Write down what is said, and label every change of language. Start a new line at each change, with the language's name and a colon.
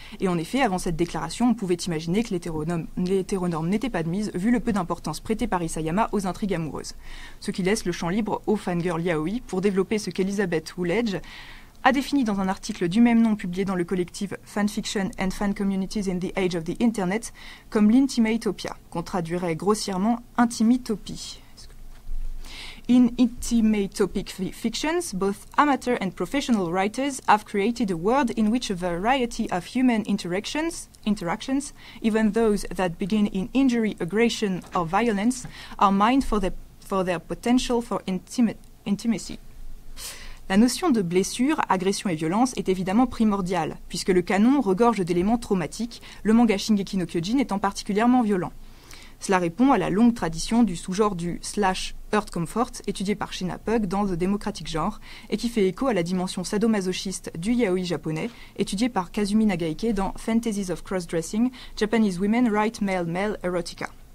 French: Et en effet, avant cette déclaration, on pouvait imaginer que l'hétéronorme n'était pas de mise, vu le peu d'importance prêtée par Isayama aux intrigues amoureuses. Ce qui laisse le champ libre aux fangirls yaoi pour développer ce qu'Elizabeth Woolledge a défini dans un article du même nom publié dans le collectif Fanfiction and Fan Communities in the Age of the Internet comme l'intimatopia, qu'on traduirait grossièrement « intimitopie ».
English: In intimatopic fictions, both amateur and professional writers have created a world in which a variety of human interactions, even those that begin in injury, aggression or violence, are mined for their potential for intimacy.
French: La notion de blessure, agression et violence est évidemment primordiale, puisque le canon regorge d'éléments traumatiques, le manga Shingeki no Kyojin étant particulièrement violent. Cela répond à la longue tradition du sous-genre du « slash hurt comfort » étudié par Shina Pug dans The Democratic Genre et qui fait écho à la dimension sadomasochiste du yaoi japonais étudié par Kazumi Nagaike dans Fantasies of Cross-Dressing, Japanese Women Write Male-Male Erotica.